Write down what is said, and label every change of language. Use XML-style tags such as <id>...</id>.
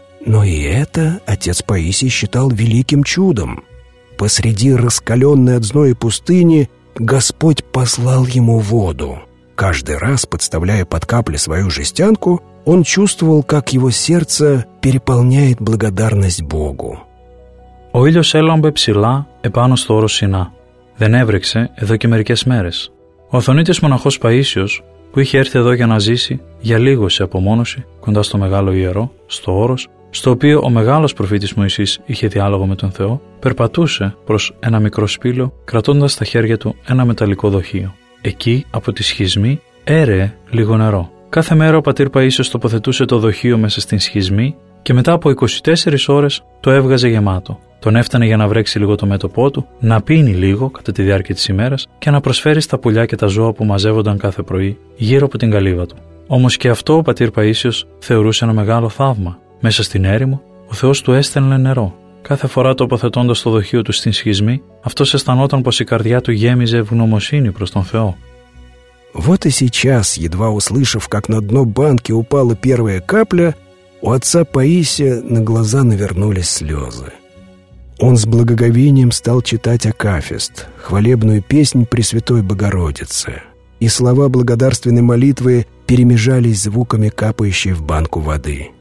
<ru>Но и это отец Паисий считал великим чудом. Посреди раскаленной от зноя пустыни Господь послал ему воду. Каждый раз, подставляя под капли свою жестянку, он чувствовал, как его сердце переполняет благодарность Богу.</ru> <el>Ο ήλιος έλαμπε ψηλά επάνω στο όρος Σινά. Δεν έβρεξε εδώ και μερικές μέρες. Ο Αθωνίτης μοναχός Παΐσιος, που είχε έρθει εδώ για να ζήσει για λίγο σε απομόνωση κοντά στο μεγάλο ιερό, στο όρος, στο οποίο ο μεγάλος προφήτης Μωυσής είχε διάλογο με τον Θεό, περπατούσε προς ένα μικρό σπήλαιο, κρατώντας στα χέρια του ένα μεταλλικό δοχείο. Εκεί, από τη σχισμή, έρεε λίγο νερό. Κάθε μέρα ο πατήρ Παΐσιος τοποθετούσε το δοχείο μέσα στην σχισμή και μετά από 24 ώρες το έβγαζε γεμάτο. Τον έφτανε για να βρέξει λίγο το μέτωπό του, να πίνει λίγο κατά τη διάρκεια της ημέρας και να προσφέρει στα πουλιά και τα ζώα που μαζεύονταν κάθε πρωί γύρω από την καλύβα του. Όμως και αυτό ο πατήρ Παΐσιος θεωρούσε ένα μεγάλο θαύμα. Μέσα στην έρημο, ο Θεός του έστελνε νερό. Κάθε φορά τοποθετώντας το δοχείο του στην σχισμή, αυτός αισθανόταν πως η καρδιά του γέμιζε ευγνωμοσύνη προς τον Θεό.</el> <ru>Вот и сейчас, едва услышав, как на дно банки упала первая капля, у отца Паисия на глаза навернулись слезы. Он с благоговением стал читать акафист, хвалебную песнь Пресвятой Богородицы, и слова благодарственной молитвы перемежались звуками капающей в банку воды.</ru>